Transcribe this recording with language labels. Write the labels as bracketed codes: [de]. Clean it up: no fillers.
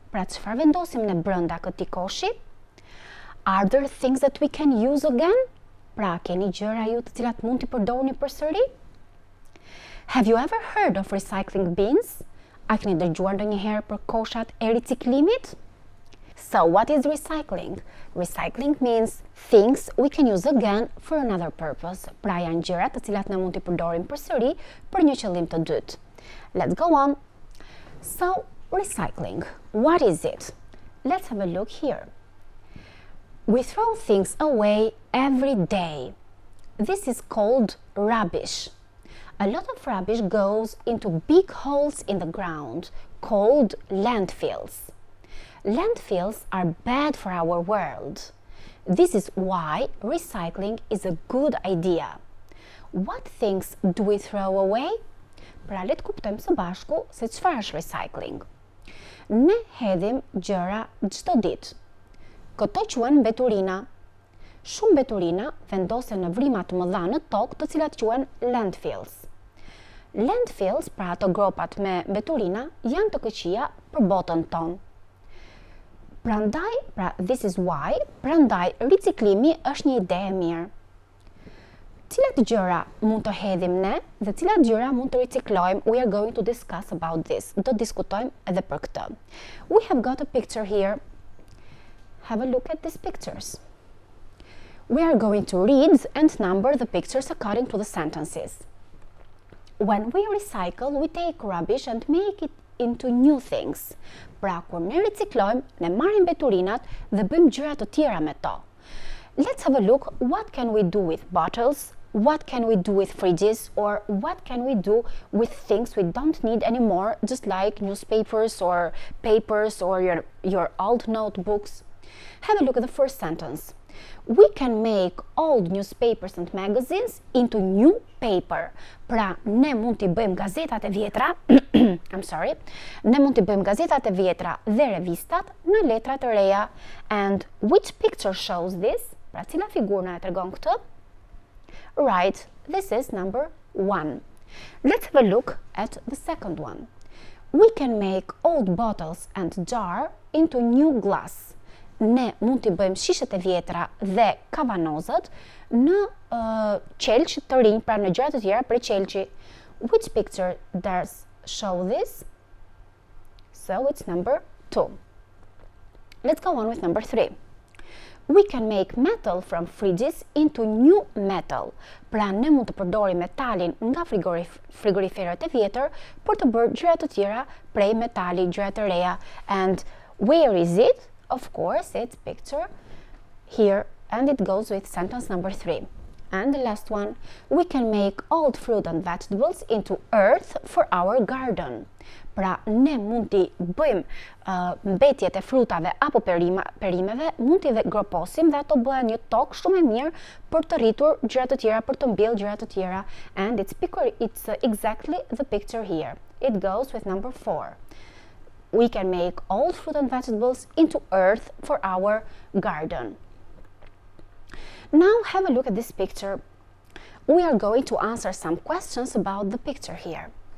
[sq] Pra çfarë vendosim në brenda këtij koshi? [en] Are there things that we can use again? [sq] Pra keni gjëra ju të cilat mund t'i përdorni përsëri? [en] Have you ever heard of recycling bins? [sq] A keni dëgjuar ndonjëherë për koshat e riciklimit? [en] So what is recycling? Recycling means things we can use again for another purpose. [sq] Pra janë gjëra të cilat ne mund t'i përdorim përsëri për një qëllim të dytë. [en] Let's go on. So, recycling, what is it? Let's have a look here. We throw things away every day. This is called rubbish. A lot of rubbish goes into big holes in the ground, called landfills. Landfills are bad for our world. This is why recycling is a good idea. What things do we throw away? [sq] Pra le të kuptojmë së bashku se çfarë është recycling. Ne hedhim gjëra çdo ditë. Këto quhen mbeturina. Shumë mbeturina vendosen në vrimat të mëdha në tokë, të cilat quhen landfills. Landfills, pra ato gropat me mbeturina, janë të këqija për botën tonë. Prandaj riciklimi është një ide e mirë. Cilat gjëra mund të hedhim ne dhe cilat gjëra mund të riciklojmë? [en] We are going to discuss about this. [sq] Do të diskutojmë edhe për këtë. [en] We have got a picture here. Have a look at these pictures. We are going to read and number the pictures according to the sentences. When we recycle, we take rubbish and make it into new things. [sq] Pra kur ne riciklojmë, ne marrim mbeturinat dhe bëjmë gjëra të tjera me to. [en] Let's have a look. What can we do with bottles? What can we do with fridges? Or what can we do with things we don't need anymore, just like newspapers or papers or your old notebooks? Have a look at the first sentence. We can make old newspapers and magazines into new paper. [sq] Pra, ne mund t'i bëjmë gazetat e vjetra, [en] I'm sorry, [sq] ne mund t'i bëjmë gazetat e vjetra dhe revistat në letra të reja. [en] And which picture shows this? [sq] Pra, cila figurë na e tregon këtë? [en] Right, this is number one. Let's have a look at the second one. We can make old bottles and jar into new glass. [sq] Ne mund t'i bëjmë shishet e vjetra dhe kavanozët në qelq të rinj, pra në gjëra të tjera për qelqi. [en] Which picture does show this? So it's number two. Let's go on with number three. We can make metal from fridges into new metal. [sq] Pra ne mund të përdorim metalin nga frigoriferët e vjetër për të bërë gjëra të tjera prej metali, gjëra të reja. [en] And where is it? Of course, it's picture here and it goes with sentence number three. And the last one, we can make old fruit and vegetables into earth for our garden. [sq] Pra, ne mund t'i bëjmë mbetjet e frutave apo perimeve, mund t'i dhe groposim dhe ato bëhen një tokë shumë e mirë për të rritur gjëra të tjera, për të mbjellë gjëra të tjera. [en] And it's exactly the picture here. It goes with number four. we can make all fruit and vegetables into earth for our garden. Now have a look at this picture. We are going to answer some questions about the picture here.